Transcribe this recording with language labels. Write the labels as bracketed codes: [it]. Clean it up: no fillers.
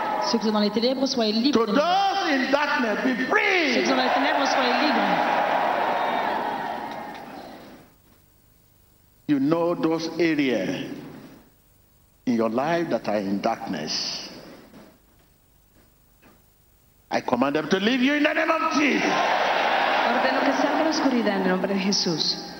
[fr] Ceux qui sont dans les ténèbres soient libres. [en] To those in darkness, be free. [fr] Ceux qui sont dans les ténèbres soient libres. [en] You know those areas in your life that are in darkness. I command them to leave you in the name of Jesus. [es] Ordeno que salga la oscuridad en el nombre de Jesús.